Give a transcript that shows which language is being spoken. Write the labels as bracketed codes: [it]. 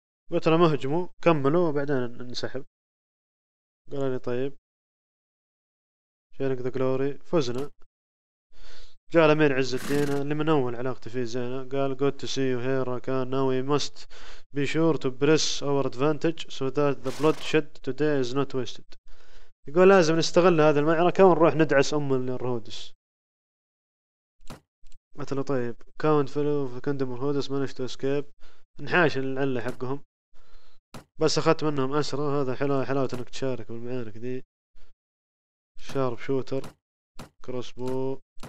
[ar] قلت له ما هجموا كملوا وبعدين انسحب. قال لي طيب شينك ذا جلوري. فزنا. جاء الامير عز الدين اللي من اول علاقتي فيه زينة قال [en] good to see you here Rakan. Now we must be sure to press our advantage so that the bloodshed today is not wasted. [ar] يقول لازم نستغل هذه المعركة ونروح ندعس ام الرهودس. قلت له طيب كاونت فلو في كندم الرهودس [en] managed to escape. [ar] نحاش العلة حقهم بس اخذت منهم اسرى. هذا حلو حلاوة انك تشارك بالمعارك دي. شارب شوتر كروس بو.